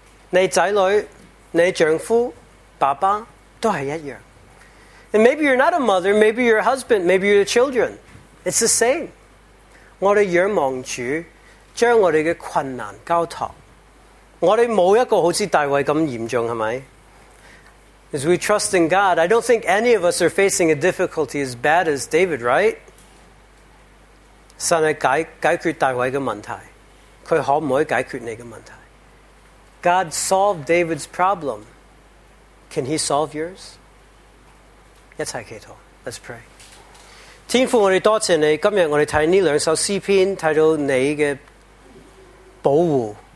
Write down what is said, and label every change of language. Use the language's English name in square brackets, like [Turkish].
[Chinese] 你仔女, 你丈夫, 爸爸, 都是一样。 [English] And maybe you're not a mother, maybe you're a husband, maybe you're the children. It's the same. [Chinese] 我们仰望主, 将我们的困难交托。我们没有一个好像大卫那么严重，是吗？ [English] As we trust in God, I don't think any of us are facing a difficulty as bad as David, right? [Chinese] 神是解决大卫的问题, 他可不可以解决你的问题? [English] God solved David's problem. Can he solve yours? [Chinese] 一起祈祷, [English] let's pray. [Chinese] 天父，我们多谢你, 今天我们看这两首诗篇, 看到你的保护。